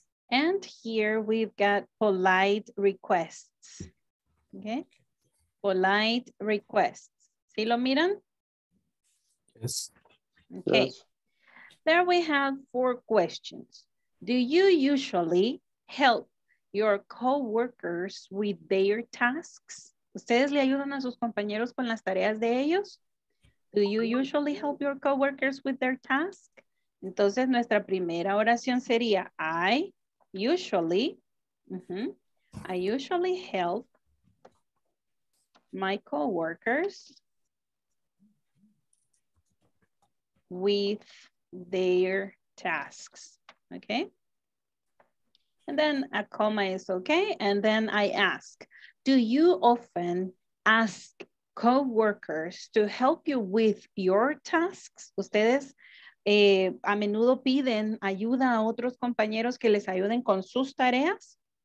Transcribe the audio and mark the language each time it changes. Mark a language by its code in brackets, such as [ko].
[en] And here we've got polite requests. Okay. Polite requests. [es] ¿Sí lo miran? [en] Yes. Okay. Yes. There we have four questions. Do you usually help your coworkers with their tasks? [es] ¿Ustedes le ayudan a sus compañeros con las tareas de ellos? [en] Do you usually help your coworkers with their task? [es] Entonces nuestra primera oración sería, [en] I usually help my coworkers with their tasks, okay? And then a comma is okay. And then I ask, do you often ask coworkers to help you with your tasks? [es] Ustedes a menudo piden ayuda a otros compañeros que les ayuden con sus tareas?